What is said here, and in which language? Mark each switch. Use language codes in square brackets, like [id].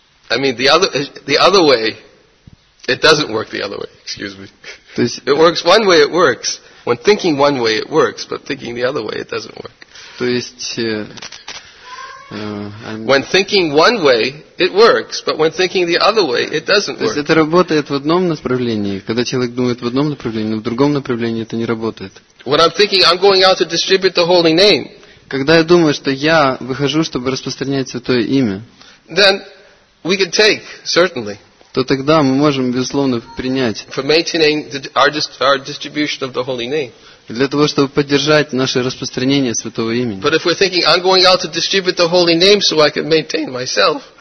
[en] I mean the other way. It doesn't work the other way. Excuse me. It works one way. It works when thinking one way. It works, but thinking the other way, it doesn't work. [ru] То есть. [en] When thinking one way, it works, but when thinking the other way, it doesn't work. [ru] То есть это работает в одном направлении, когда человек думает в одном направлении, но в другом направлении это не работает. [en] When I'm thinking I'm going out to distribute the holy name. [ru] Когда я думаю, что я выхожу, чтобы распространять святое имя. [en] Then we can take certainly. [ru] То тогда мы можем безусловно принять. [en] For maintaining our distribution of the holy name. [ru] Для того, чтобы поддержать наше распространение святого имени. [en] But if we're thinking I'm going out to distribute the holy name so I can maintain myself.